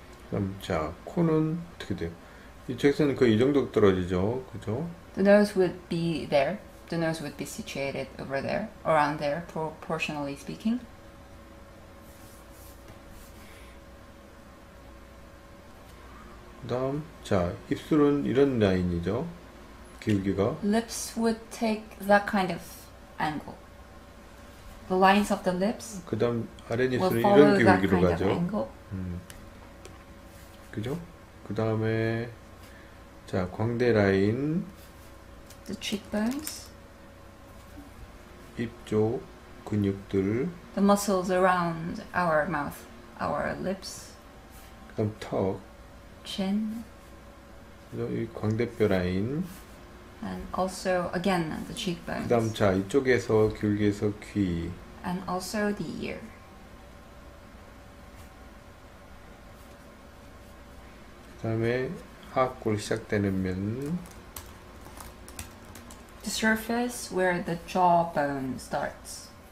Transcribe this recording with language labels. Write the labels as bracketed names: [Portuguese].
[Korean] 그럼 자, 코는 어떻게 돼요? 이 책에서는 거의 이 정도 떨어지죠, 그죠? [English] The nose would be there. The nose would be situated over there, around there, proportionally speaking. [Korean] 그다음, 자, 입술은 이런 라인이죠, 길기가. [English] Lips would take that kind of angle. The lines of the lips. [Korean] 그다음 아랫 입술은 이런 길기로 가죠. 그죠? 그다음에, 자, 광대 라인. [English] The cheekbones. [Korean] 입쪽 근육들 [English] The muscles around our mouth, our lips [Korean] 그럼 턱 [English] Chin [Korean] 이 광대뼈 라인 [English] And also again the cheekbones [Korean] 그 다음 자 이쪽에서 귤기에서 귀 [English] And also the ear [Korean] 그 다음에 하악골 시작되는 면 [English] The surface where the jawbone starts.